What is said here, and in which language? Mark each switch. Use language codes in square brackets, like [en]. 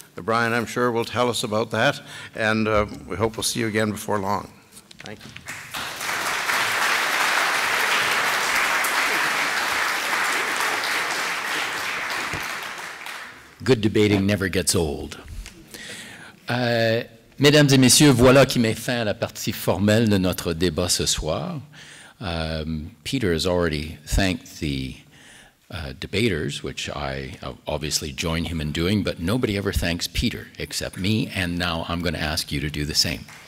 [en] Brian, I'm sure, will tell us about that. And we hope we'll see you again before long. Thank you. Good debating never gets old. [fr] Mesdames et messieurs, voilà qui met fin à la partie formelle de notre débat ce soir. [en] Peter has already thanked the debaters, which I obviously join him in doing, but nobody ever thanks Peter except me, and now I'm going to ask you to do the same.